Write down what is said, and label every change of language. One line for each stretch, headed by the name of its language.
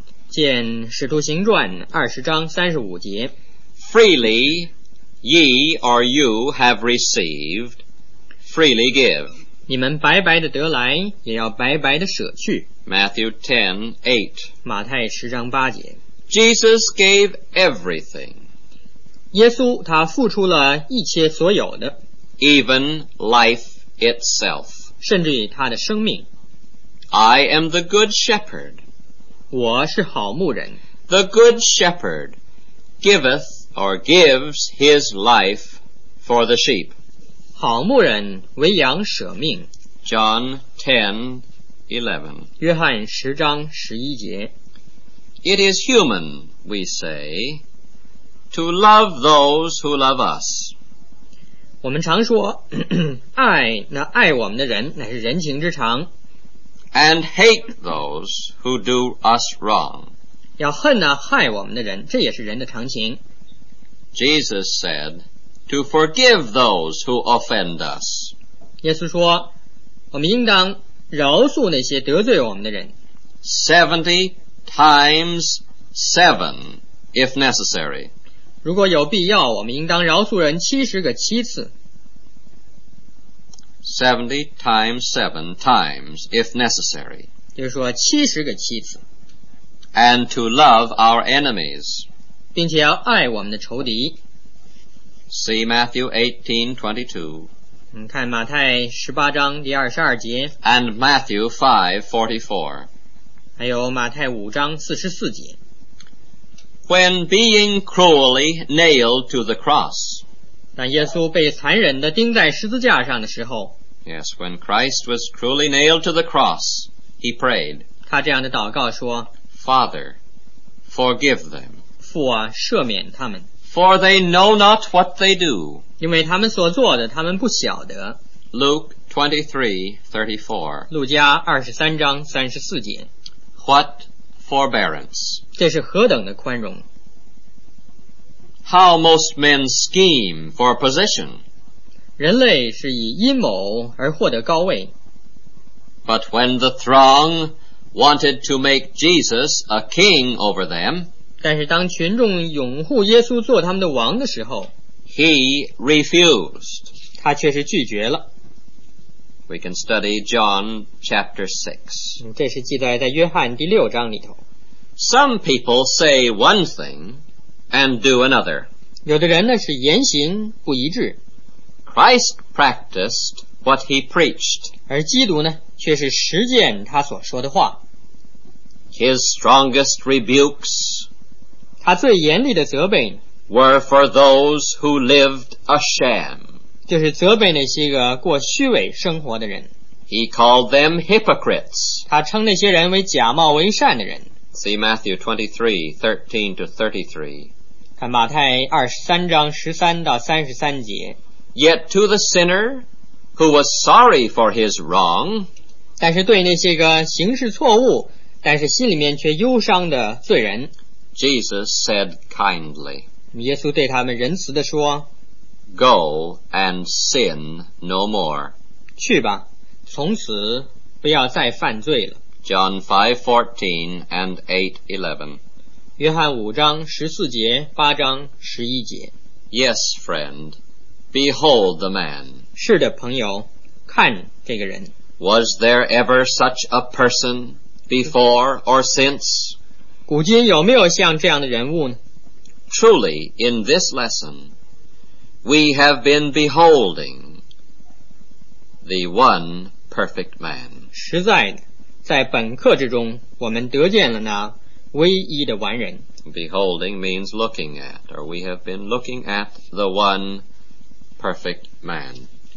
Chinese: 见《使徒行传》二十章三十五节
English: Freely ye or you have received, freely give.
Chinese: 你们白白的得来，也要白白的舍去。
English: Matthew 10:8
Chinese: 马太十章八节
English: Jesus gave everything.
Chinese: 耶稣他付出了一切所有的
English: Even life itself.
Chinese: 甚至于他的生命
English: I am the good shepherd.
Chinese: 我是好牧人。
English: The good shepherd giveth or gives his life for the sheep.
Chinese: 好牧人为羊舍命。
English: John 10:11.
Chinese: 约翰十章十一节。
English: It is human, we say, to love those who love us.
Chinese: 我们常说爱那爱我们的人乃是人情之常。
English: And hate those who do us wrong.
Chinese: 要恨那害我们的人，这也是人的常情。
English: Jesus said, to forgive those who offend us.
Chinese: 耶稣说，我们应当饶恕那些得罪我们的人。
English: 70 times 7, if necessary.
Chinese: 如果有必要，我们应当饶恕人七十个七次。
English: 70 times 7 times, if necessary.
Chinese: 就是说七十个七次。
English: And to love our enemies.
Chinese: 并且要爱我们的仇敌。
English: See Matthew 18:22.
Chinese: 你看马太十八章第二十二节。
English: And Matthew 5:44.
Chinese: 还有马太五章四十四节。
English: When being cruelly nailed to the cross.
Chinese: 当耶稣被残忍地钉在十字架上的时候
English: Yes, when Christ was cruelly nailed to the cross, he prayed.
Chinese: 他这样的祷告说
English: Father, forgive them.
Chinese: 父啊，赦免他们。
English: For they know not what they do.
Chinese: 因为他们所做的他们不晓得。
English: Luke 23:34.
Chinese: 路加二十三章三十四节。
English: What forbearance.
Chinese: 这是何等的宽容。
English: How most men scheme for position.
Chinese: 人类是以阴谋而获得高位。
English: But when the throng wanted to make Jesus a king over them,
Chinese: 但是当群众拥护耶稣做他们的王的时候
English: he refused.
Chinese: 他却是拒绝了。
English: We can study John chapter 6.
Chinese: 这是记载在约翰第六章里头。
English: Some people say one thing,And do another.
Chinese: 有的人呢是言行不一致。
English: Christ practiced what he preached.
Chinese: 而基督呢却是实践他所说的话。
English: His strongest rebukes.
Chinese: 他最严厉的责备
English: were for those who lived a sham.
Chinese: 就是责备那些个过虚伪生活的人。
English: He called them hypocrites.
Chinese: 他称那些人为假冒为善的人。
English: See Matthew 23:13-33.
Chinese: 看马太二十三章十三到三十三节。
English: Yet to the sinner who was sorry for his wrong,
Chinese: 但是对那些个行事错误，但是心里面却忧伤的罪人
English: ，Jesus said kindly.
Chinese: 耶稣对他们仁慈地说
English: ，Go and sin no more.
Chinese: 去吧，从此不要再犯罪了。
English: John 5:14 and 8:11.
Chinese: 约翰五章十四节八章十一节。
English: Yes, friend, behold the man.
Chinese: 是的，朋友，看这个人。
English: Was there ever such a person before or since?
Chinese: 古今有没有像这样的人物呢？
English: Truly, in this lesson, we have been beholding the one perfect man.
Chinese: 实在的。在本课之中我们得见了那唯一的完人。
English: Beholding means looking at, or we have been looking at the one perfect man.